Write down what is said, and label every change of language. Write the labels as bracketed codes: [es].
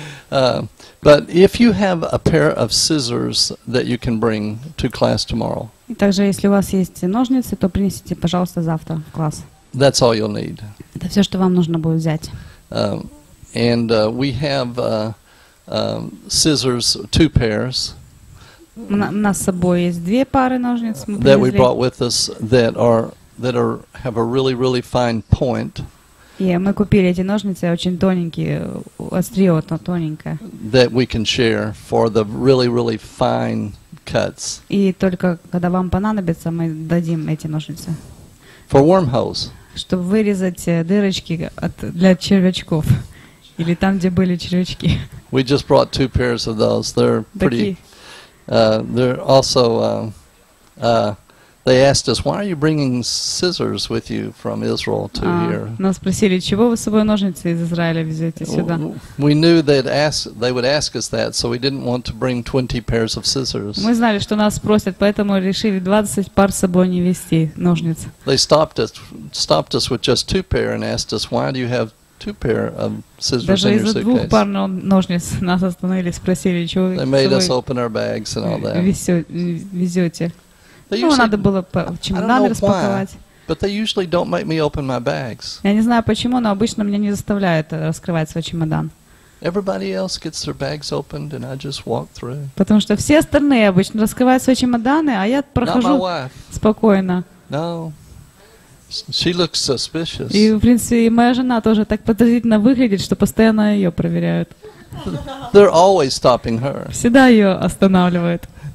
[en] But if you have a pair of scissors that you can bring to class tomorrow. [ru] И также если у вас есть ножницы, то принесите, пожалуйста, завтра в класс. [en] That's all you'll need. [ru] Это все, что вам нужно будет взять. [en] And we have scissors, two pairs. [ru] У нас с собой есть две пары ножниц. [en] That we brought with us that are have a really really fine point. [ru] Yeah, мы купили эти ножницы, очень тоненькие, острие вот тоненькое. [en] That we can share for the really really fine cuts. [ru] И только когда вам понадобится, мы дадим эти ножницы. [en] For wormholes. [ru] Чтобы вырезать дырочки для червячков или там, где были червячки. [en] We just brought two pairs of those. They're pretty. They're also. They asked us, "Why are you bringing scissors with you from Israel to here?" [ru] Нас спросили, чего вы с собой ножницы из Израиля везете сюда. [en] We knew they would ask us that, so we didn't want to bring 20 pairs of scissors. [ru] Мы знали, что нас спросят, поэтому решили 20 пар с собой не везти ножниц. [en] They stopped us with just two pair and asked us, "Why do you have?" Two pair of scissors. [ru] Даже из-за двух пар ножниц нас остановили, спросили, чего вы. [en] They made us open our bags and all that. [ru] Везете. Ну, надо было чемоданы распаковать. [en] But they usually don't make me open my bags. [ru] Я не знаю почему, но обычно меня не заставляют раскрывать свой чемодан. [en] Everybody else gets their bags opened, and I just walk through. [ru] Потому что все остальные обычно раскрывают свои чемоданы, а я прохожу спокойно. [en] No. She looks suspicious. [ru] И, в принципе, и моя жена тоже так подозрительно выглядит, что постоянно ее проверяют. [en] They're always stopping her. [ru] Всегда ее останавливают.